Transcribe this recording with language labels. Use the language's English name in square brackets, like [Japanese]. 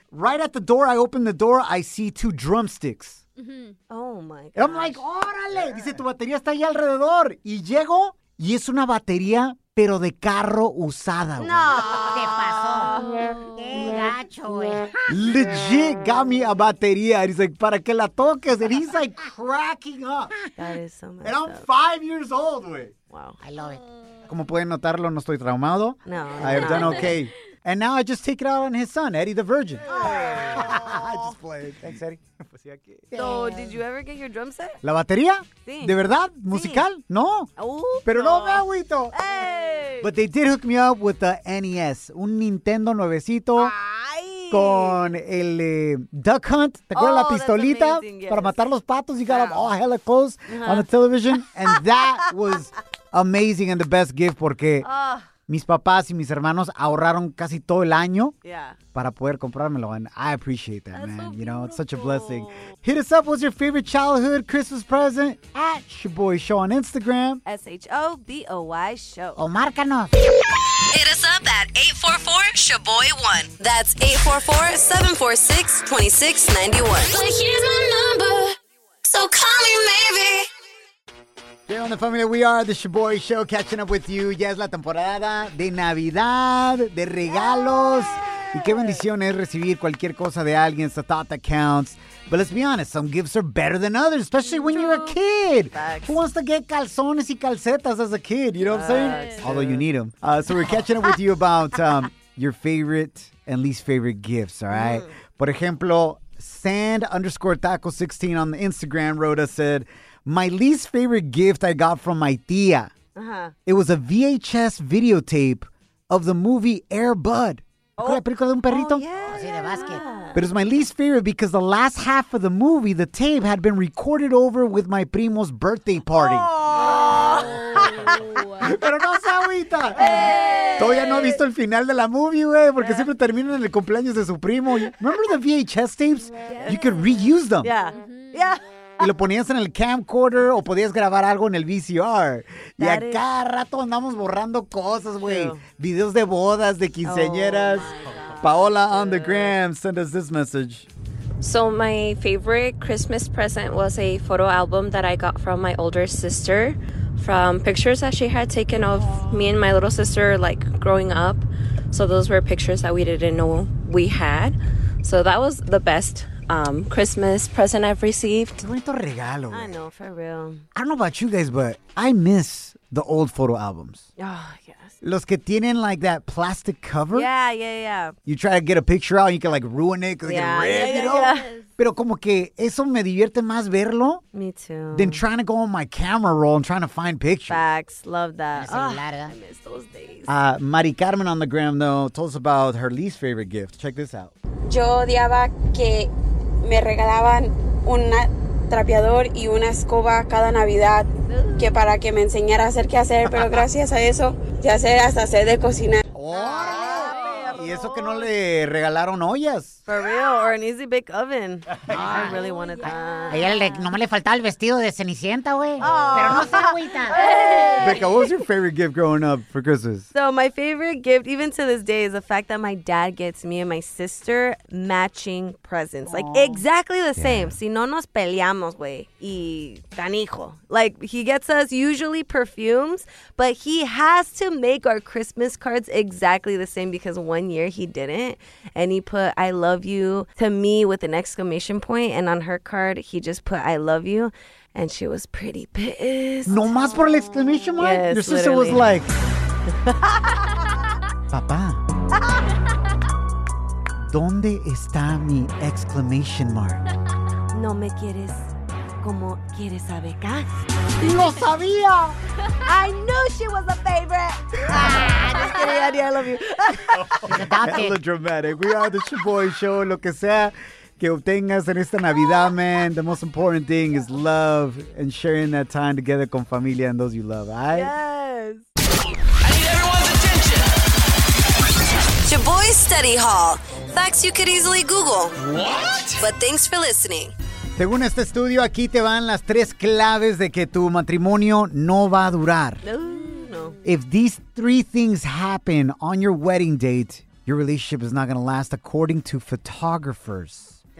[English] Right at the door, I open the door, I see two drumsticks. Mm-hmm. Oh, my god. I'm like, [Spanish] órale. [English] Yeah. [Spanish] Dice, tu batería está ahí alrededor. Y llego, y es una batería, pero de carro usada. No. ¿Qué pasó? Gacho, [English] legit got me a batería. And he's like, [Spanish] para que la toques. [English] And he's like cracking up. That is so much. And I'm 5 years old, wey. Wow. I love it. [Spanish] Como pueden notarlo, no estoy traumado. No. [English] I have done okay. And now I just take it out on his son, Eddie the Virgin. Oh. I just played. Thanks, Eddie. So, did you ever get your drum set? [Spanish] ¿La batería? Sí. ¿De verdad? ¿Musical? Sí. No. [English] Oh, [Spanish] pero no me agüito. [English] Hey. But they did hook me up with the NES, [Spanish] un Nintendo nuevecito. Ay. Con el Duck Hunt, ¿te acuerdas? [English] Oh, [Spanish] la pistolita, [English] that's amazing, yes. [Spanish] Para matar los patos. [English] You got them all hella close on the television. And that was amazing and the best gift porque... [Spanish] Mis papás y mis hermanos ahorraron casi todo el año para poder comprármelo. [English] And I appreciate that, that's man. So you know, beautiful. It's such a blessing. Hit us up. What's your favorite childhood Christmas present? At Shaboy Show on Instagram. Shaboy Show. [Spanish] O márcanos. [English] Hit us up at 844-SHABOY1. That's 844-746-2691. But here's my number. So call me, maybe. Hey, on the family, we are the Shaboy Show, catching up with you. [Spanish] Ya es la temporada de Navidad, de regalos. [English] Yay! [Spanish] Y qué bendición es recibir cualquier cosa de alguien. [English] It's the thought that counts. But let's be honest, some gifts are better than others, especially when you're a kid. Facts. Who wants to get [Spanish] calzones y calcetas [English] as a kid? You know Facts. What I'm saying? Yeah. Although you need them. So we're catching up with you about your favorite and least favorite gifts, all right? Mm. [Spanish] Por ejemplo, [English] sand_taco16 on the Instagram wrote us, said, my least favorite gift I got from my tía. Uh-huh. It was a VHS videotape of the movie Air Bud. Oh. [Spanish] ¿La película de un perrito? [English] Oh, yeah. [Spanish] Sí, de básquet. [English] But it was my least favorite because the last half of the movie, the tape, had been recorded over with my primo's birthday party. Oh. [Spanish] Pero no se agüita. [English] Hey. [Spanish] Todavía no ha visto el final de la movie, güey, porque siempre terminan el cumpleaños de su primo. [English] Remember the VHS tapes? Yeah. You could reuse them. Yeah. Mm-hmm. Yeah. [Spanish] Y lo ponías en el camcorder o podías grabar algo en el VCR. Y a cada rato andamos borrando cosas, güey. Videos de bodas, de quinceañeras. [English] Paola on the gram sent us this message. So my favorite Christmas present was a photo album that I got from my older sister from pictures that she had taken of me and my little sister, like, growing up. So those were pictures that we didn't know we had. So that was the best Christmas present I've received. [Spanish] Qué bonito regalo. [English] I know, for real. I don't know about you guys, but I miss the old photo albums. Oh, yes. [Spanish] Los que tienen [English] like that plastic cover. Yeah, yeah, yeah. You try to get a picture out, you can like ruin it because you get ripped, you know? Yeah. [Spanish] Pero como que eso me divierte más verlo. [English] Me too. Than trying to go on my camera roll and trying to find pictures. Facts. Love that. Oh, I miss those days. Mari Carmen on the gram, though, told us about her least favorite gift. Check this out. [Spanish] Yo odiaba que me regalaban una trapeador y una escoba cada Navidad que para que me enseñara a hacer qué hacer, pero gracias a eso ya sé hasta sé de cocinar. Y eso que no le regalaron ollas. [English] For real, or an easy bake oven. I really wanted that. [Spanish] A ella no me le faltaba el vestido de Cenicienta, güey. Pero no se agüita. [English] Becca, what was your favorite gift growing up for Christmas? So my favorite gift, even to this day, is the fact that my dad gets me and my sister matching presents. Aww. Like, exactly the same. Yeah. [Spanish] Si no nos peleamos, güey. Y canijo. [English] Like, he gets us usually perfumes, but he has to make our Christmas cards exactly the same because one year he didn't. And he put, I love you to me with an exclamation point. And on her card, he just put, I love you. And she was pretty pissed. [Spanish] No más por el exclamation mark? [English] Yes, your sister literally was like, Papá, [Spanish] ¿dónde está mi [English] exclamation mark? [Spanish] No me quieres como quieres a Becca. Lo sabía. [English] I knew she was a favorite. Just kidding, Andy, I love you. That's a little dramatic. We are the Shaboy Show, [Spanish] lo que sea. Que obtengas en esta Navidad, man. [English] The most important thing is love and sharing that time together [Spanish] con familia [English] and those you love, right? Yes. I need everyone's attention. Shaboy Study Hall. Facts you could easily Google. What? But thanks for listening. [Spanish] Según este estudio, aquí te van las tres claves de que tu matrimonio no va a durar. No. [English] If these three things happen on your wedding date, your relationship is not going to last, according to photographers.